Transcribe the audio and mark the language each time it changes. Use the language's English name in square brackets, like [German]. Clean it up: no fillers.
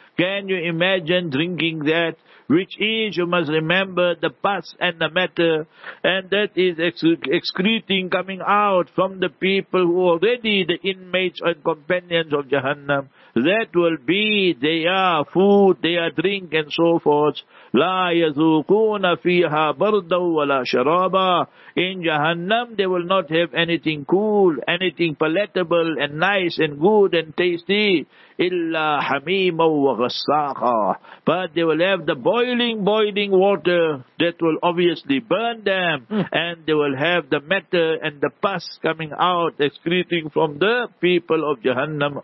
[English] Can you imagine drinking that? Which is, you must remember, the pus and the matter, and that is excreting, coming out from the people who are already the inmates and companions of Jahannam. That will be their food, their drink, and so forth. [Arabic] لا يذوقون فيها بردا ولا شرابا. [English] In Jahannam, they will not have anything cool, anything palatable and nice and good and tasty. [Arabic] إلا حميما وغساقا. [English] But they will have the boiling water that will obviously burn them, and they will have the matter and the pus coming out, excreting from the people of Jahannam.